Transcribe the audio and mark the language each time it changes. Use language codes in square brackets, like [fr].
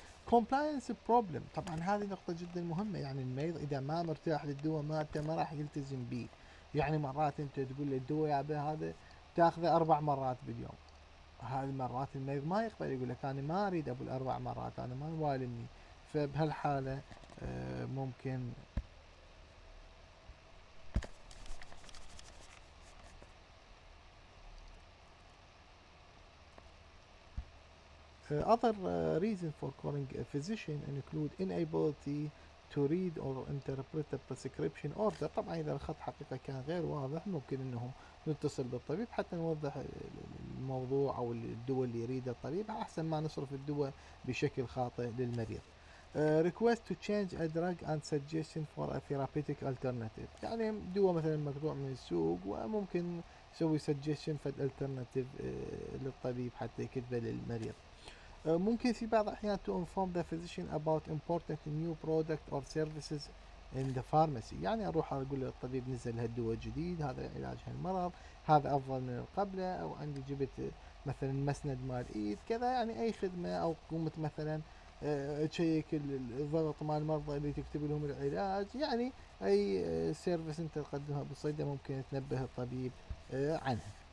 [en] compliance problem [ar] طبعا هذه نقطة جدا مهمة يعني المريض اذا ما مرتاح للدواء مالته ما راح يلتزم به. يعني مرات انت تقول له الدواء يا ابي هذا تاخذه 4 مرات باليوم هذه المرات المريض ما يقبل، يقول لك انا ما اريد ابو الاربع مرات، انا ما يوالمني. فبهالحالة ممكن [en] other reason for calling a physician include inability to read or interpret a prescription order. [ar] طبعا اذا الخط حقيقه كان غير واضح ممكن انه نتصل بالطبيب حتى نوضح الموضوع او الدول اللي يريدها الطبيب، احسن ما نصرف الدواء بشكل خاطئ للمريض. [en] Request to change a drug and suggestion for a therapeutic alternative. [ar] يعني دواء مثلا مقطوع من السوق وممكن نسوي [en] suggestion for alternative [ar] للطبيب حتى يكتبه للمريض. ممكن في بعض الأحيان [en] to inform the physician about important new product or services in the pharmacy. [ar] يعني أروح أقول للطبيب نزل هالدواء الجديد، هذا علاج هالمرض، هذا أفضل من قبله، أو عندي جبت مثلا مسند مال إيد كذا، يعني أي خدمة. أو قمت مثلا تشيك الضغط مال المرضى اللي تكتب لهم العلاج، يعني أي سيرفيس أنت تقدمها بالصيدلة ممكن تنبه الطبيب عنها.